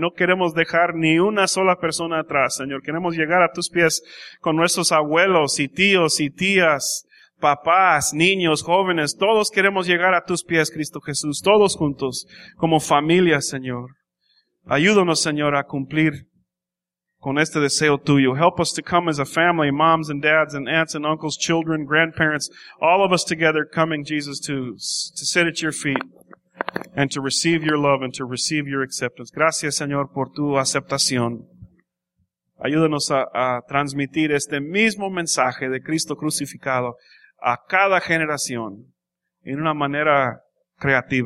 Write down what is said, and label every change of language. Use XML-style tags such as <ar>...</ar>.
<es>No queremos dejar ni una sola persona atrás, Señor. Queremos llegar a tus pies con nuestros abuelos y tíos y tías, papás, niños, jóvenes. Todos queremos llegar a tus pies, Cristo Jesús. Todos juntos, como familia, Señor. Ayúdanos, Señor, a cumplir con este deseo tuyo.</es> <en>Help us to come as a family, moms and dads and aunts and uncles, children, grandparents. All of us together coming, Jesus, to sit at your feet. And to receive your love and to receive your acceptance.</en> <es>Gracias, Señor, por tu aceptación. Ayúdanos a transmitir este mismo mensaje de Cristo crucificado a cada generación en una manera creativa.</es>